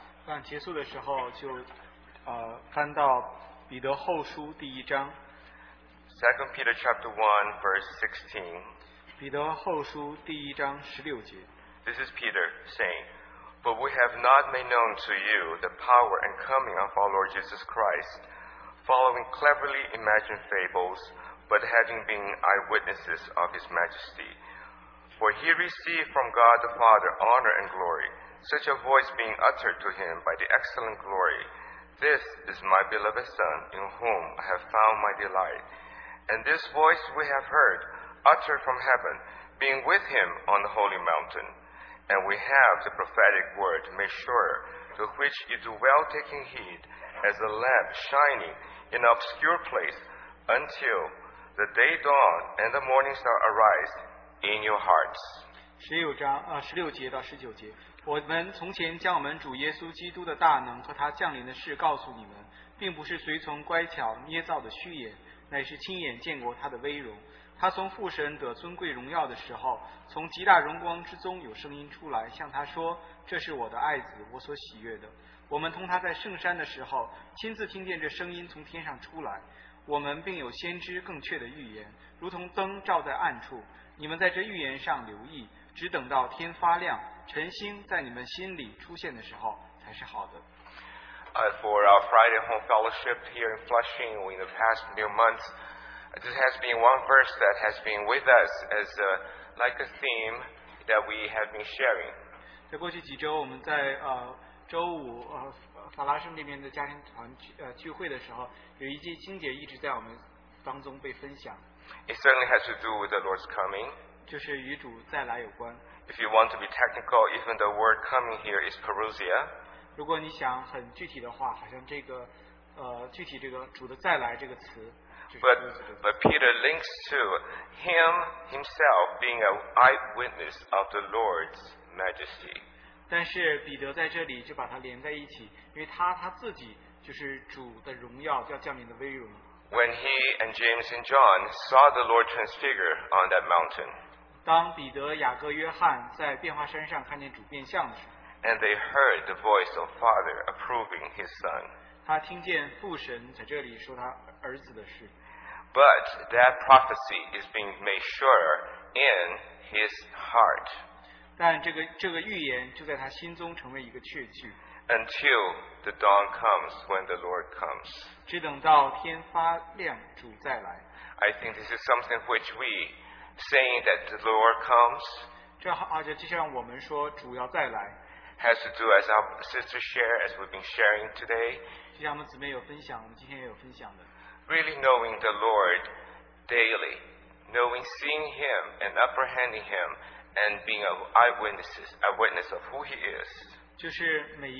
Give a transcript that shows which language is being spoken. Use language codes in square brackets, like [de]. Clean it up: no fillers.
[zh] 当结束的时候就翻到彼得后书第一章。 [en] 2 Peter chapter 1 verse 16. [zh] 彼得后书第一章十六节。 [en] This is Peter saying, But we have not made known to you the power and coming of our Lord Jesus Christ, following cleverly imagined fables, but having been eyewitnesses of his majesty. For he received from God the Father honor and glory, such a voice being uttered to him by the excellent glory. This is my beloved Son, in whom I have found my delight. And this voice we have heard, uttered from heaven, being with him on the holy mountain. And we have the prophetic word made sure, to which you do well taking heed, as a lamp shining in an obscure place, until the day dawn and the morning star arise. In your hearts. [zh] 十六章十六节到十九节，我们从前将我们主耶稣基督的大能和他降临的事告诉你们，并不是随从乖巧捏造的虚言，乃是亲眼见过他的威荣。他从父神得尊贵荣耀的时候，从极大荣光之中有声音出来，向他说：“这是我的爱子，我所喜悦的。” 我们同他在圣山的时候，亲自听见这声音从天上出来。我们并有先知更确的预言，如同灯照在暗处。你们在这预言上留意，只等到天发亮，晨星在你们心里出现的时候，才是好的。 [en] For our Friday home fellowship here in Flushing, in the past few months, this has been one verse that has been with us as like a theme that we have been sharing. [zh] 在过去几周，我们在周五法拉盛那边的家庭团聚会的时候，有一节经节一直在我们当中被分享。 [en] It certainly has to do with the Lord's coming. [zh] 就是与主再来有关。 [en] If you want to be technical, even the word coming here is parousia. [zh] 如果你想很具体的话，好像这个具体这个主的再来这个词。 [en] But Peter links to him himself being an eyewitness of the Lord's majesty. [zh] 因为他自己就是主的荣耀要降临的威荣。 [en] When he and James and John saw the Lord transfigured on that mountain, [zh] 当彼得、雅各、约翰在变化山上看见主变相的时候, [en] and they heard the voice of Father approving his son. [zh] 他听见父神在这里说他儿子的事。 [en] But that prophecy is being made sure in his heart. [zh] 但这个预言就在他心中成为一个确据。 [en] Until the dawn comes, when the Lord comes. [zh] 直等到天发亮, 主再来。 [en] I think this is something which we, saying that the Lord comes, [zh] 就像我们说主要再来, [en] has to do as our sister share, as we've been sharing today. [zh] 就像我们姊妹有分享, 我们今天也有分享的。 [en] Really knowing the Lord daily, knowing seeing Him and apprehending Him and being an eyewitness, a witness of who He is.